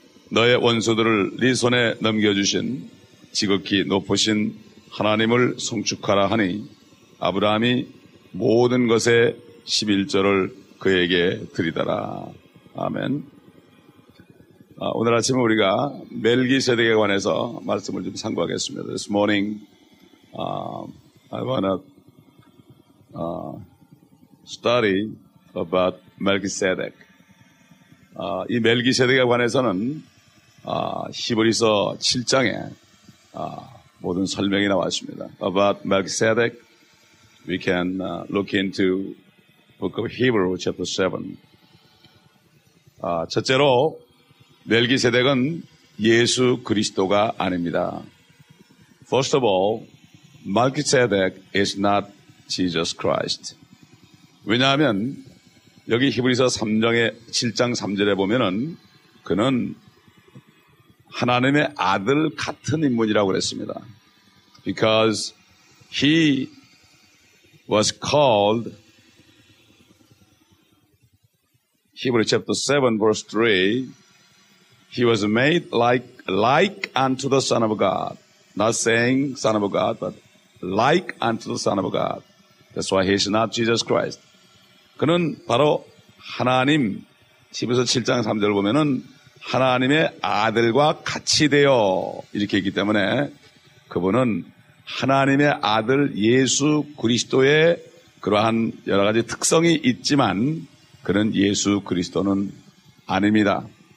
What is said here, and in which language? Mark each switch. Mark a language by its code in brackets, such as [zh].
[ko] 너의 원수들을 네 손에 넘겨주신 지극히 높으신 하나님을 송축하라 하니 아브라함이 모든 것의 십일조를 그에게 드리더라. 아멘. 오늘 아침에 우리가 멜기세덱에 관해서 말씀을 좀 상고하겠습니다. [en] This morning, I want to study about Melchizedek. [ko] 이 멜기세덱에 관해서는 히브리서 7장에 모든 설명이 나왔습니다. [en] About Melchizedek, we can look into Book of Hebrews, chapter 7. [ko] 첫째로 멜기세덱은 예수 그리스도가 아닙니다. [en] First of all, Melchizedek is not Jesus Christ. [ko] 왜냐하면 여기 히브리서 7장 3절에 보면은 그는 하나님의 아들 같은 인물이라고 그랬습니다. [en] Because he was called Hebrews chapter 7 verse 3. He was made like unto the Son of God. Not saying Son of God, but like unto the Son of God. That's why he is not Jesus Christ. [ko] 그는 바로 하나님, 히브리서 7장 3절을 보면은 하나님의 아들과 같이 되어 이렇게 했기 때문에 그분은 하나님의 아들 예수 그리스도의 그러한 여러 가지 특성이 있지만 그는 예수 그리스도는 아닙니다.